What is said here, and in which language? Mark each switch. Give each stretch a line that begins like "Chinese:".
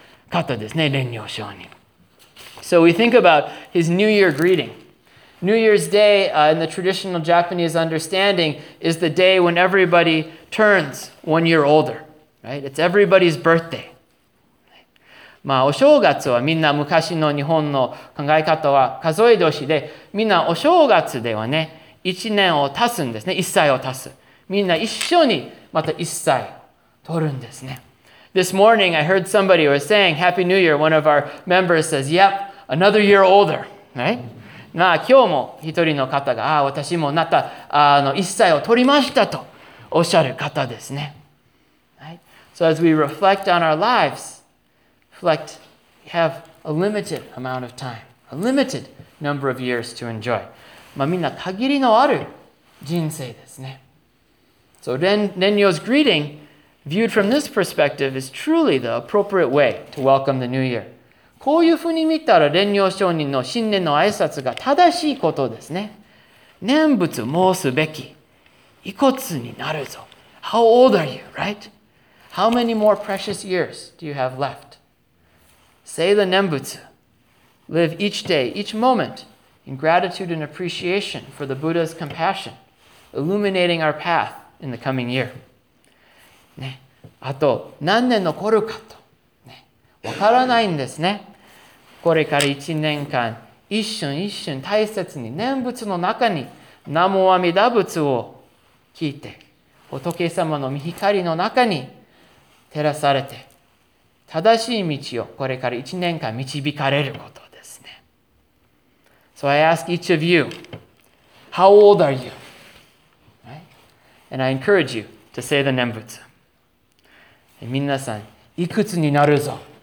English: So we think about his New Year greeting. New Year's Day, in the traditional Japanese understanding, is the day when everybody turns 1 year older. Right? It's everybody's birthday.
Japanese: まあ、お正月はみんな昔の日本の考え方は数え年で、みんなお正月ではね、一年を足すんですね、一歳を足す。みんな一緒にまた一歳取るんですね。
English: This morning I heard somebody was saying, Happy New Year, one of our members says, Yep, another year older. Right?
Japanese: まあ今日も一人の方が、ああ、私もなった、一歳を取りましたとおっしゃる方ですね。
English: Right? So as we reflect on our lives,Reflect, we have a limited amount of time, a limited number of years to enjoy.
Japanese: まあみんな限りのある人生ですね。
English: So Nenyo's greeting, viewed from this perspective, is truly the appropriate way to welcome the new year.
Japanese: こういうふうに見たら Nenyo上人の新年の挨拶が正しいことですね。念仏申すべき、遺骨になるぞ。
English: How old are you, right? How many more precious years do you have left? Say the Nembutsu. Live each day, each moment, in gratitude and appreciation for the Buddha's compassion, illuminating our path in the coming year.
Japanese: ね、あと何年残るかと、ね、わからないんですね。これから一年間、一瞬一瞬大切に念仏の中に南無阿弥陀仏を聞いて、仏様の御光の中に照らされて、正しい道をこれから一年間導かれることですね。
English: So I ask each of you, how old are you? Right? And I encourage you to say the 念仏。
Japanese: みなさん、いくつになるぞ。